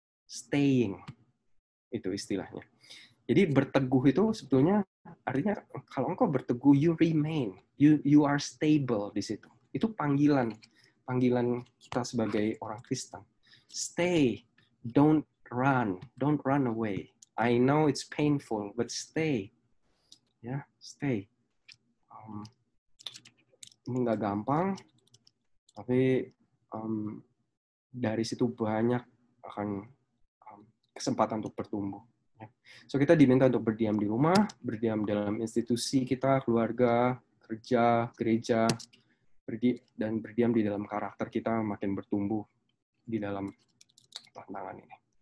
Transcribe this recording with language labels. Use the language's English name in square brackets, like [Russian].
[Indonesian] Staying, itu istilahnya. Jadi berteguh itu sebetulnya artinya kalau engkau berteguh, [English] you remain, you are stable [Indonesian] di situ. Itu panggilan kita sebagai orang Kristen. [English] Stay, don't run away. I know it's painful, but stay, ya, yeah, stay. [Indonesian] Ini nggak gampang, tapi dari situ banyak akan kesempatan untuk bertumbuh. So kita diminta untuk berdiam di rumah, berdiam dalam institusi kita, keluarga, kerja, gereja, dan berdiam di dalam karakter kita makin bertumbuh di dalam tantangan ini.